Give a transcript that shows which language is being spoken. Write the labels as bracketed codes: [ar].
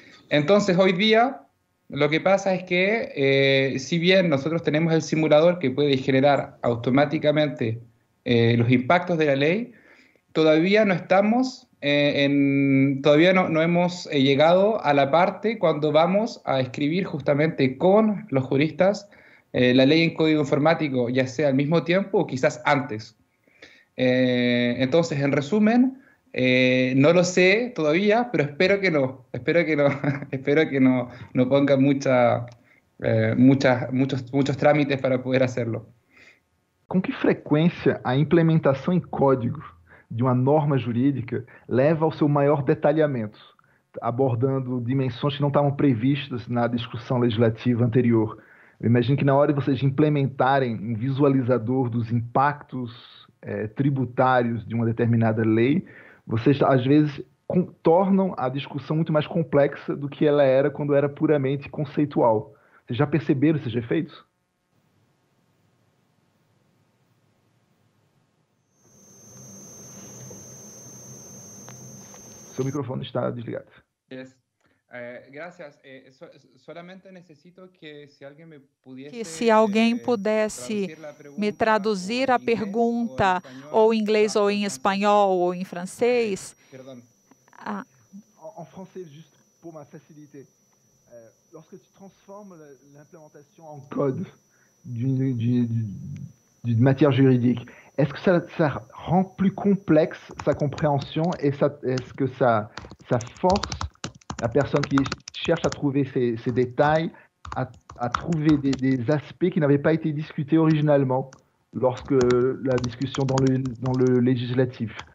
[es] Entonces, hoy día, lo que pasa es que, si bien nosotros tenemos el simulador que puede generar automáticamente los impactos de la ley, todavía no estamos, todavía no hemos llegado a la parte cuando vamos a escribir justamente con los juristas la ley en código informático, ya sea al mismo tiempo o quizás antes. Entonces, en resumen, no lo sé todavía, pero espero que no ponga muchos trámites para poder hacerlo. [pt] Com que frequência a implementação em código de uma norma jurídica leva ao seu maior detalhamento, abordando dimensões que não estavam previstas na discussão legislativa anterior? Eu imagino que na hora de vocês implementarem um visualizador dos impactos tributários de uma determinada lei, vocês, às vezes, tornam a discussão muito mais complexa do que ela era quando era puramente conceitual. Vocês já perceberam esses efeitos? Seu microfone está desligado. [en] Yes. [es] Gracias. Solamente necesito que si alguien me pudiese, que si alguien pudiese me traducir la pregunta o inglés o en español o en francés. En francés, justo por mi facilidad. [fr] lorsque tu transformes l'implémentation en code d'une matière juridique, est-ce que ça rend plus complexe sa compréhension et est-ce que ça force la personne qui cherche à trouver ces détails à trouver des aspects qui n'avaient pas été discutés originalement lorsque la discussion dans le législatif.